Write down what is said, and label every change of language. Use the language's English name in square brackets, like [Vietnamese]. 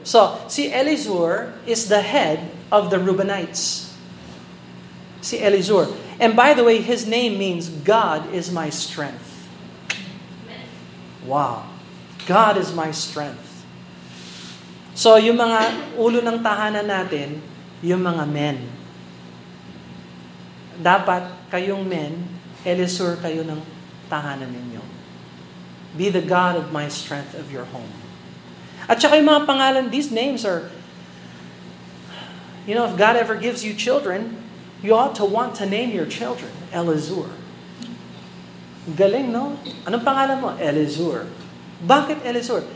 [English] So, si Elizur is the head of the Reubenites. Si Elizur. And by the way, his name means God is my strength. Wow. God is my strength. [Filipino] So, yung mga ulo ng tahanan natin, yung mga men. Dapat, kayong men, Elizur kayo ng tahanan ninyo. [English] Be the God of my strength of your home. [Filipino] At saka yung mga pangalan, [English] these names are, you know, if God ever gives you children, you ought to want to name your children Elizur. [Filipino] Galing, no? Anong pangalan mo? Elizur. Bakit Elizur?